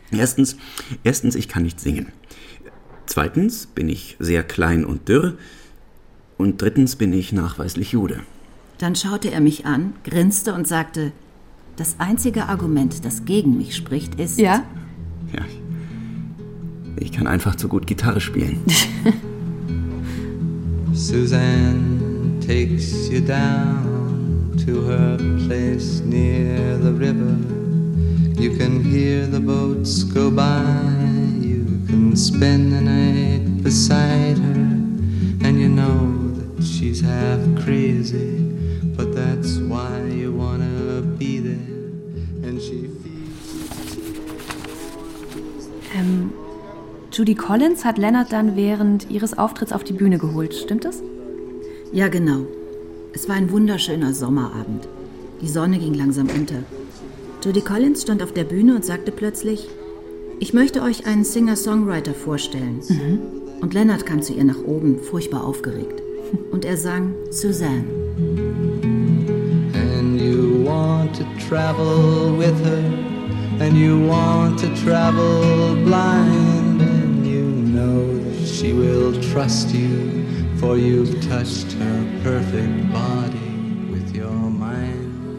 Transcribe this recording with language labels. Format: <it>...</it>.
<de>Erstens, ich kann nicht singen. Zweitens bin ich sehr klein und dürr. Und drittens bin ich nachweislich Jude. Dann schaute er mich an, grinste und sagte, das einzige Argument, das gegen mich spricht, ist... Ja? Ja, ich kann einfach zu gut Gitarre spielen.</de> <en>Suzanne takes you down to her place near the river. You can hear the boats go by. You can spend the night beside her. And you know that she's half crazy. But that's why you wanna be there. And she feels...</en> <de>Judy Collins hat Leonard dann während ihres Auftritts auf die Bühne geholt, stimmt das? Ja, genau. Es war ein wunderschöner Sommerabend. Die Sonne ging langsam unter. Judy Collins stand auf der Bühne und sagte plötzlich, ich möchte euch einen Singer-Songwriter vorstellen. Mhm. Und Leonard kam zu ihr nach oben, furchtbar aufgeregt. Und er sang Suzanne.</de> <en>And you want to travel with her. And you want to travel blind. And you know that she will trust you. For you've touched her perfect body with your mind.</en>